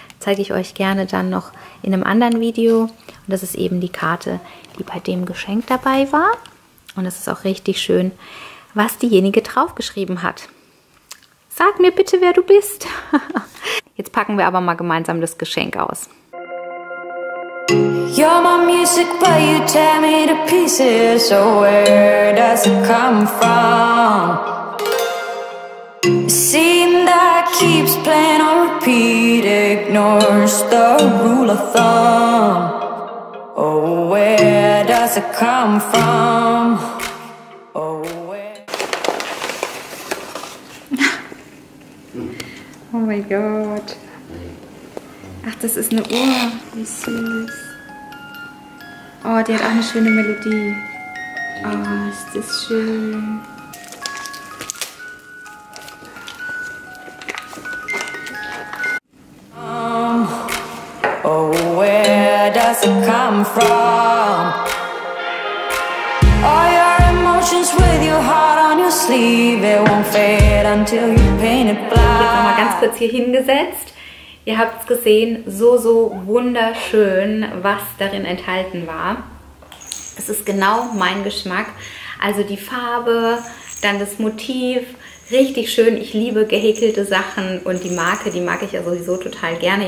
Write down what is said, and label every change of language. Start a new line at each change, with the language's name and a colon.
German: Zeige ich euch gerne dann noch in einem anderen Video. Und das ist eben die Karte, die bei dem Geschenk dabei war. Und es ist auch richtig schön, was diejenige draufgeschrieben hat. Sag mir bitte, wer du bist. Jetzt packen wir aber mal gemeinsam das Geschenk aus.
English: You're my music, but you tear me to pieces. So where does it come from? Scene that keeps playing on repeat ignores the rule of thumb. Oh, where does it come from? Oh, where? Oh my God.
German: Ach, das ist eine Uhr. Wie süß. Oh, die hat auch eine schöne Melodie. Oh, ist das schön.
English: Oh, where does it come from? All your emotions with your heart on your sleeve. It won't fade until you paint it black.
German: Ich hab mal ganz kurz hier hingesetzt. Ihr habt es gesehen, so, so wunderschön, was darin enthalten war. Es ist genau mein Geschmack. Also die Farbe, dann das Motiv, richtig schön. Ich liebe gehäkelte Sachen und die Marke, die mag ich ja sowieso total gerne.